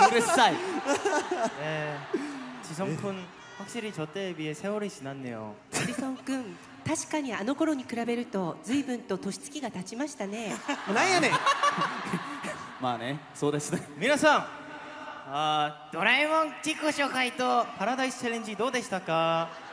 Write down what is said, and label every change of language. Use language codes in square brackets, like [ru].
[ja] 待って待って待って待って、それ皆さん大丈夫ですか？汚い汚いひどいよ。おいジャイアン、おいジャイアン、うるさい。ジャイアンうるさい。ええ、지성君 [ko] 확실히 저 때에 비해 세월이 지났네요. [ja] 지성君 確かにあの頃に比べると随分と年月が経ちましたね。なんやねん。まあね、そうですね。皆さん、ドラえもん自己紹介とパラダイスチャレンジどうでしたか？